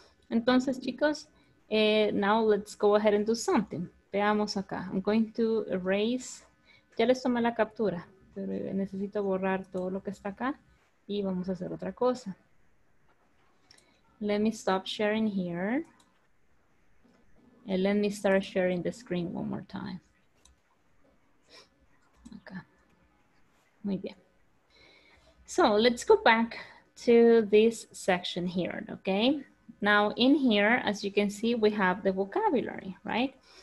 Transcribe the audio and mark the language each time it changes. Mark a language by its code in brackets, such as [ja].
[es] Entonces, chicos, [en] now let's go ahead and do something. [es] Veamos acá. [en] I'm going to erase. [es] Ya les tomé la captura, pero necesito borrar todo lo que está acá y vamos a hacer otra cosa. [en] Let me stop sharing here. And let me start sharing the screen one more time. [es] Acá. Muy bien. [en] So let's go back to this section here, okay? Now in here, as you can see, we have the vocabulary, right?